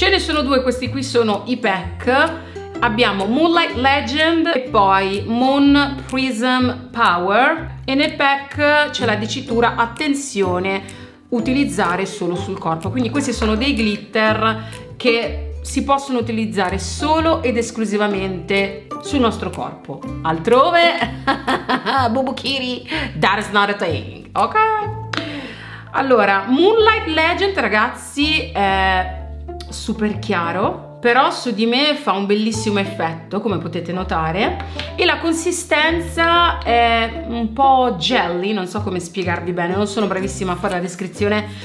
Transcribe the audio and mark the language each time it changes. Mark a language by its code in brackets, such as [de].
[it] Ce ne sono due, questi qui sono i pack. Abbiamo Moonlight Legend e poi Moon Prism Power. E nel pack c'è la dicitura attenzione, utilizzare solo sul corpo. Quindi questi sono dei glitter che si possono utilizzare solo ed esclusivamente sul nostro corpo. Altrove, [en] Bubu Kitty, that is not a thing, ok? [it] Allora, Moonlight Legend, ragazzi, è super chiaro, però su di me fa un bellissimo effetto, come potete notare, e la consistenza è un po' jelly, non so come spiegarvi bene, non sono bravissima a fare la descrizione